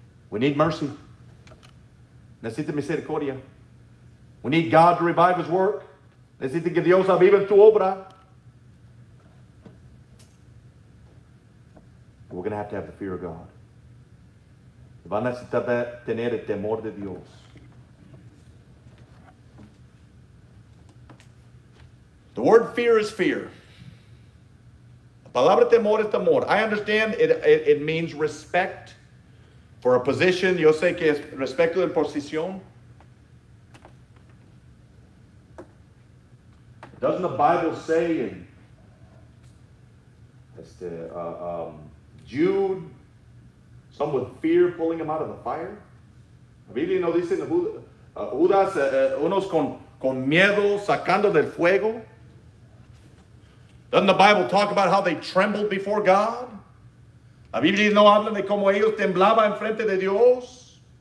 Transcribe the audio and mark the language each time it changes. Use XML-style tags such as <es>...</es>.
<en>we need mercy.</en> <es>Necesita misericordia.</es> <en>We need God to revive His work.</en> <es>Necesita que Dios avive tu obra.</es> <en>We're going to have the fear of God.</en> <es>Va a necesitar tener el temor de Dios.</es> <en>The word fear is fear.</en> <es>La palabra temor es temor.</es> <en>I understand it means respect. For a position,</en> <es>yo sé que es respecto de posición.</es> <en>Doesn't the Bible say in Jude, some with fear pulling him out of the fire?</en> <es>La Biblia no dice en Judas, unos con miedo sacando del fuego.</es> <en>Doesn't the Bible talk about how they trembled before God?</en> <es>La Biblia no habla de cómo ellos temblaban enfrente de Dios.</es>